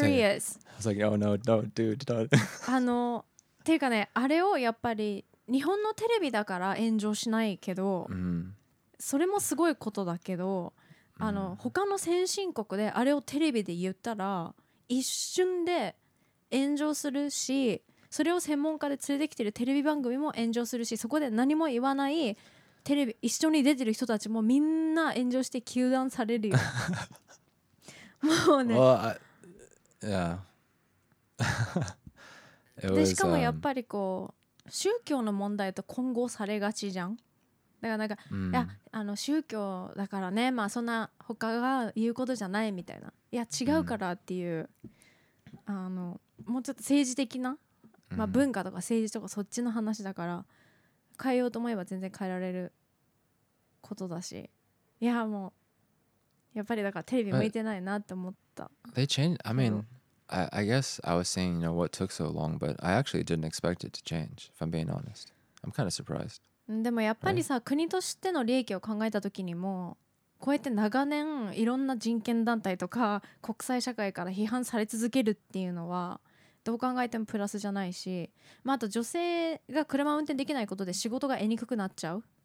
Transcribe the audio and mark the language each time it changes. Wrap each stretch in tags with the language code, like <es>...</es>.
<en>Don't say it. I was like, oh no, no, dude, don't.</en> <ja>ていうかね、あれをやっぱり日本のテレビだから炎上しないけど、それもすごいことだけど、他の先進国であれをテレビで言ったら一瞬で炎上するし。それを専門家で連れてきてるテレビ番組も炎上するしそこで何も言わないテレビ一緒に出てる人たちもみんな炎上して糾弾されるよもうね</ja> <en>well, I, yeah</en> <ja>でしかもやっぱりこう宗教の問題と混合されがちじゃん。だからなんか、うん、いやあの宗教だからね、まあそんな他が言うことじゃないみたいな、いや違うからっていう、うん、あのもうちょっと政治的な、まあ、文化とか政治とかそっちの話だから、うん、変えようと思えば全然変えられることだし、いやもうやっぱりだからテレビ向いてないなって思った。</ja> <en>They change. I mean, I guess I was saying, you know, what took so long, but I actually didn't expect it to change. If I'm being honest, I'm kind of surprised.</en> <ja>でもやっぱりさ、国としての利益を考えた時にも、こうやって長年いろんな人権団体とか国際社会から批判され続けるっていうのはどう考えてもプラスじゃないし、まああと女性が車を運転できないことで仕事が得にくくなっちゃう。</ja>